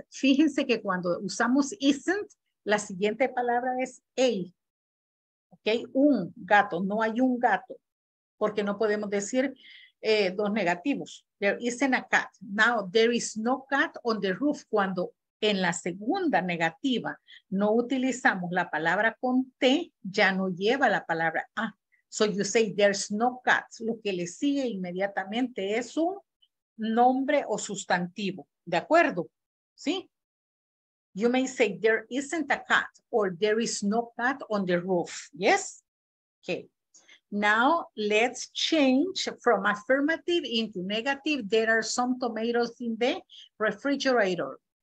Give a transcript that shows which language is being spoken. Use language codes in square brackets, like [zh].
[es] Fíjense que cuando usamos isn't, la siguiente palabra es a. Okay, un gato, no hay un gato, porque no podemos decir dos negativos. [en] There isn't a cat. Now, there is no cat on the roof. [es] Cuando en la segunda negativa no utilizamos la palabra con T, ya no lleva la palabra A. [en] So you say, there's no cat. [es] Lo que le sigue inmediatamente es un nombre o sustantivo. ¿De acuerdo? ¿Sí? [en] You may say, there isn't a cat or there is no cat on the roof. Yes? Okay. Now let's change from affirmative into negative. There are some tomatoes in the refrigerator.